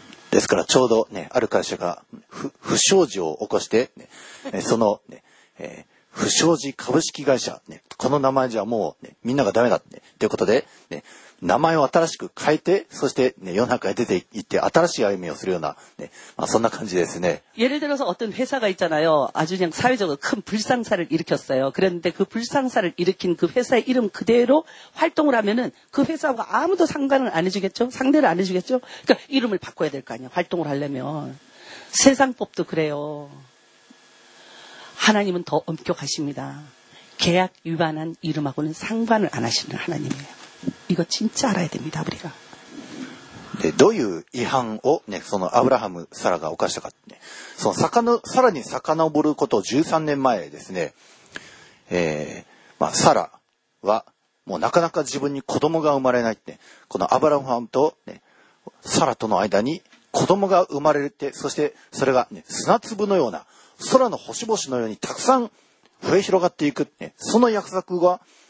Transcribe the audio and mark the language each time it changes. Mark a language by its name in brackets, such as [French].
[Japanese] ですから、ちょうどね、ある会社が不祥事を起こして、ね、その、ね、不祥事株式会社、ね、この名前じゃもう、ね、みんながダメだって、ね、ということで、ね、名前を新しく変えて、そして、ね、世の中へ出て行って新しい歩みをするような、ね、まあ、そんな感じですね。 [Korean] 예를들어서어떤회사가있잖아요。 아주그냥사회적으로큰불상사를일으켰어요。 그랬는데그불상사를일으킨그회사의이름그대로활동을하면은그회사와아무도상관을안해주겠죠。 상대를안해주겠죠。 그러니까이름을바꿔야될거아니야。 활동을하려면。 세상법도그래요。 하나님은더엄격하십니다。 계약위반한이름하고는상관을안하시는하나님이에요。 이거진짜알아야됩니다、우리가。 [Japanese] で、どういう違反をね、そのアブラハム・サラが犯したかってね、そのさらに遡ること13年前ですね、まあ、サラは、もうなかなか自分に子供が生まれないって、このアブラハムと、ね、サラとの間に子供が生まれて、そしてそれが、ね、砂粒のような、空の星々のようにたくさん増え広がっていく、ね、その約束は